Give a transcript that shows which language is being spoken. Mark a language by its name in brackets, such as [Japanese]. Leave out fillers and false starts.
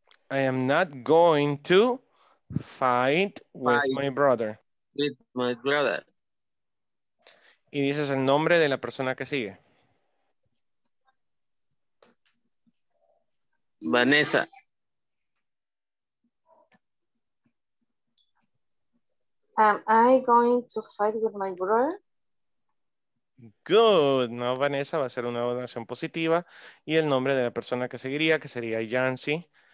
[English] I am not going to fight with my brother. With my brother. [Spanish] Y dices el nombre de la persona que sigue. Vanessa. [English] Am I going to fight with my brother? [Spanish] Good. No, Vanessa, va a ser una oración positiva. Y el nombre de la persona que seguiría, que sería Yancy.